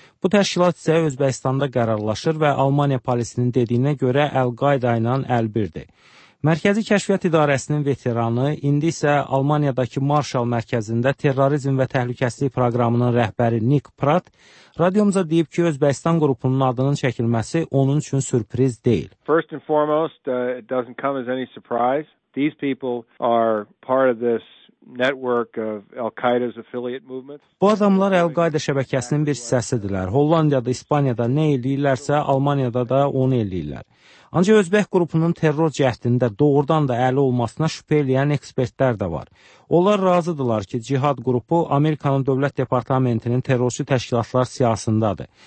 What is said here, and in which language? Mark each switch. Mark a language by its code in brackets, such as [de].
[az] Bu təşkilat isə Özbəkistanda qərarlaşır və Almaniya polisinin dediyinə görə Əl-Qayda ilə əlbirdir. Mərkəzi Kəşfiyyat İdarəsinin veteranı, indi isə Almaniyadakı Marshall Mərkəzində terrorizm və təhlükəsizlik proqramının rəhbəri Nick Pratt, radiomuza deyib ki, Özbəkistan qrupunun adının çəkilməsi onun üçün sürpriz deyil. [en] First and foremost, it doesn't come as any surprise. These people are part of this network of Al-Qaeda's affiliate movements. [az] Bu adamlar Əl-Qayda şəbəkəsinin bir hissəsidirlər. Hollandiyada, İspaniyada nə edirlərsə, Almaniyada da onu edirlər. Ancaq Özbək qrupunun terror cəhdində doğrudan da əli olmasına şübhə eləyən ekspertlər də var. Onlar razıdırlar ki, cihad qrupu Amerikanın Dövlət Departamentinin terrorçu təşkilatlar siyasındadır.